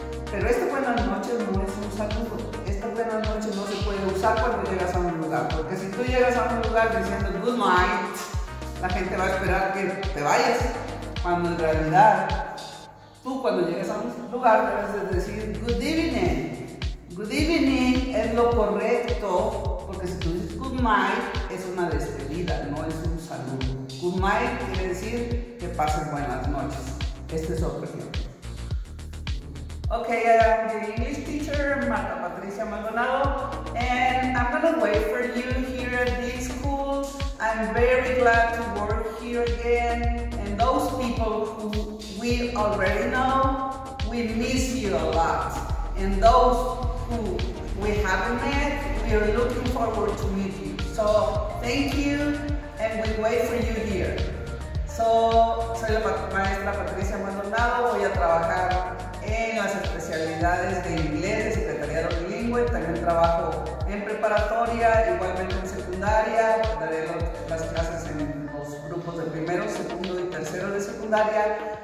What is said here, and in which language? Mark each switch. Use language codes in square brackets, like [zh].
[es] pero esta buenas noches no es un saludo, esta buenas noches no se puede usar cuando llegas a un lugar, porque si tú llegas a un lugar diciendo [en] good night, [es] la gente va a esperar que te vayas, cuando en realidad tú cuando llegas a un lugar debes de decir [en] good evening. Good evening [es] es lo correcto, porque si tú dices [en] good night, [es] es una despedida, no es un saludo. [en] Good night [es] quiere decir que pasen buenas noches. Este es otro ejemplo. [en] Ok, I'm the English teacher, Patricia Maldonado, and I'm going to wait for you here at this school. I'm very glad to work here again, and those people who we already know, we miss you a lot, and those who we haven't met, we are looking forward to meet you. So thank you, and we wait for you here. [es] So soy la maestra Patricia Maldonado. Voy a trabajar en las especialidades de inglés de Secretariado Bilingüe. También trabajo en preparatoria, igualmente en secundaria. Daré las clases en los grupos de primero, segundo y tercero de secundaria.